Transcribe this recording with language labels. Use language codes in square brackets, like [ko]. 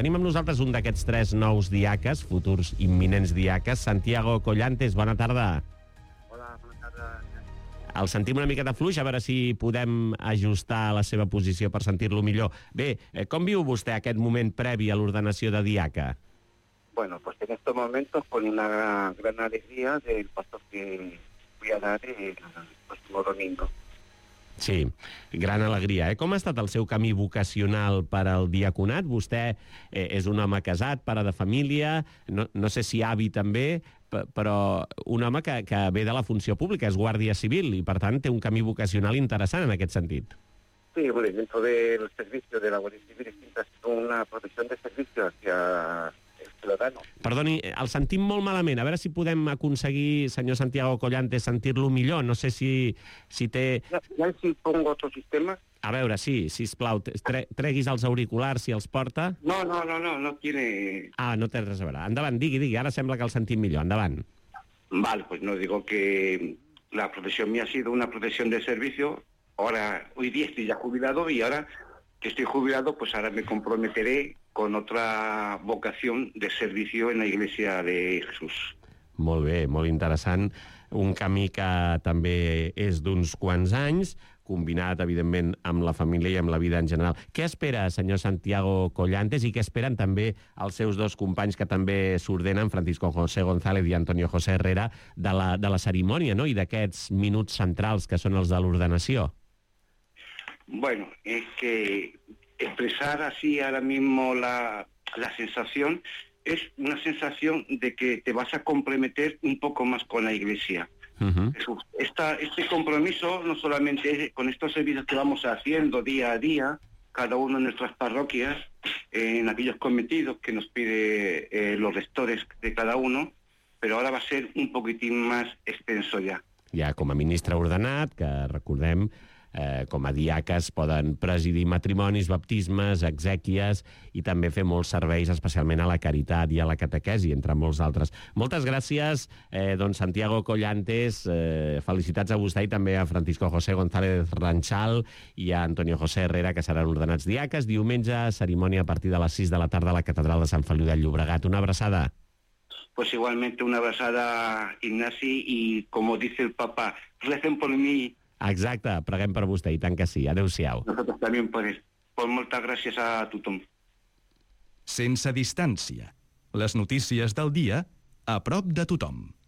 [ca] Tenim amb nosaltres un d'aquests 3 nous diaques, futurs imminents diaques, Santiago Collantes, bona tarda. Hola, bona tarda. El sentim una mica de fluix, a veure si podem ajustar la seva posició per sentir-lo millor. Bé, com viu vostè aquest moment previ a l'ordenació de diaca? [es] Bueno, pues en estos momentos con una gran alegría del pastor que voy a dar domingo. [ca] Sí, gran alegria. Com ha estat el seu camí vocacional per al diaconat? Vostè és un home casat, pare de família, no sé si avi també, però un home que ve de la funció pública, és guàrdia civil, i per tant té un camí vocacional interessant en aquest sentit. [es] Sí, bueno, dentro del servicio de la Guardia Civil es una protección de servicio hacia ciudadano. [ca] Perdoni, el sentim molt malament. A veure si podem aconseguir, senyor Santiago Collantes, sentir-lo millor. No sé si té... [es] Ja si pongo otro sistema. [ca] A veure, sí, sisplau, treguis els auriculars si els porta. [es] No tiene... [ca] Ah, no té res a veure. Endavant, digui, ara sembla que el sentim millor. Endavant. [es] Vale, pues no digo que la profesión mía ha sido una profesión de servicio. Ahora, hoy día estoy ya jubilado y ahora que estoy jubilado, pues ahora me comprometeré con otra vocación de servicio en la Iglesia de Jesús. [ca] Molt bé, molt interessant. Un camí que també és d'uns quants anys. combinat, evidentment, amb la família i amb la vida en general. Què espera, senyor Santiago Collantes, i què esperen també els seus dos companys que també s'ordenen, Francisco José González i Antonio José Herrera, de la cerimònia, no?, i d'aquests minuts centrals que són els de l'ordenació? [es] Bueno, es que expresar así ahora mismo la sensación es una sensación de que te vas a comprometer un poco más con la Iglesia. Uh-huh. Este compromiso no solamente es con estos servicios que vamos haciendo día a día, cada uno en nuestras parroquias, en aquellos cometidos que nos pide los rectores de cada uno, pero ahora va a ser un poquitín más extenso ya. Ya como ministro [ca] ordenat, que recordem, com a diaques poden presidir matrimonis, baptismes, exèquies i també fer molts serveis, especialment a la caritat i a la catequesi, entre molts altres. Moltes gràcies, don Santiago Collantes. Felicitats a vostè i també a Francisco José González Ranchal i a Antonio José Herrera, que seran ordenats diaques. Diumenge, cerimònia a partir de les 6 de la tarda a la catedral de Sant Feliu de Llobregat. Una abraçada. [es] Pues igualmente [ca] una abraçada, [es] Ignasi, y como dice el papa, recen por mí. [ca] Exacte, preguem per vostè, i tant que sí. Adéu-siau. Nosaltres també en podem. Pues moltes gràcies a tothom. Sense distància. Les notícies del dia a prop de tothom.